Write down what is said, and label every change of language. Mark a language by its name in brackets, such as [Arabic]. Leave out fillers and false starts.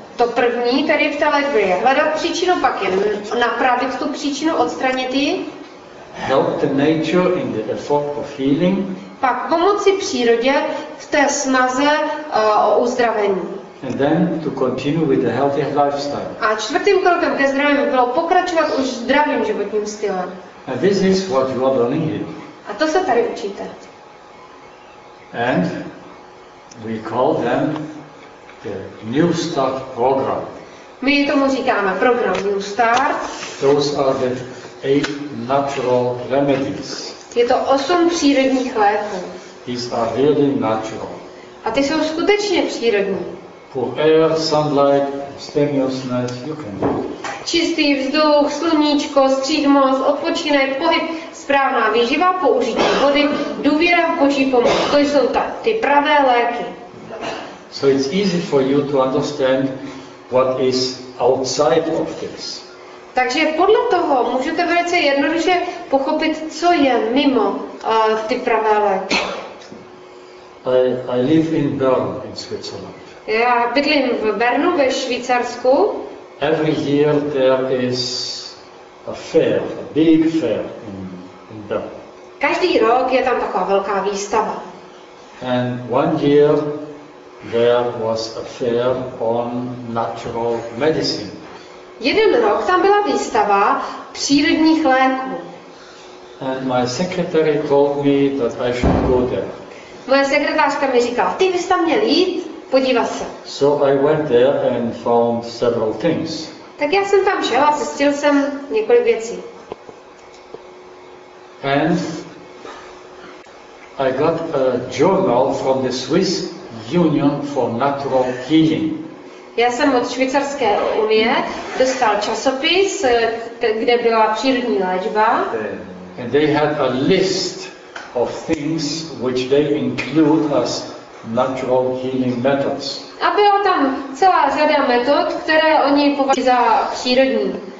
[Czech] To první tady v té léčbě je hledat příčinu, pak je napravit tu příčinu, odstranit ji. [English] Help the nature in the effort of healing. [Czech] Pak pomoci přírodě v té snaze o uzdravení. [English] And then to continue with a healthy lifestyle. [Czech] A čtvrtým krokem ke zdraví bylo pokračovat už zdravým životním stylem. [English] And this is what you are learning here. [Czech] A to se tady učíte. [English] And we call them the New Start program. [Czech] My tomu říkáme program New Start. [English] Those are the 8 natural remedies. [Czech] Je to 8 přírodních léků. [English] These are really natural. [Czech] A ty jsou skutečně přírodní. [English] Poor air, sunlight, strenuousness, you can do. [Czech] Čistý vzduch, sluníčko, střídmost, odpočinek, pohyb, správná výživa, použití vody, důvěra v Boží pomoc. To jsou ty pravé léky. [English] So it's easy for you to understand what is outside of this. [Czech] Takže podle toho můžete velice jednoduše pochopit, co je mimo ty pravé léky. [English] I live in Bern in Switzerland. [Czech] Já bydlím v Bernu ve Švýcarsku. [English] Every year there is a fair, a big fair in Bern. [Czech] Každý rok je tam taková velká výstava. [English] And one year there was a fair on natural medicine. [Czech] Jeden rok tam byla výstava přírodních léků. [English] And my secretary told me that I should go there. [Czech] Moje sekretářka mi říkala, ty bys tam měl jít. Podívat se. [English] So I went there and found several things. [Czech] Tak já jsem tam šel a zjistil jsem několik věcí. [English] And I got a journal from the Swiss Union for Natural Healing. [Czech] Já jsem od Švýcarské unie dostal časopis, kde byla přírodní léčba. [English] And they had a list of things which they include as natural healing methods. [Czech] A byla tam celá řada metod, které oni považují za přírodní.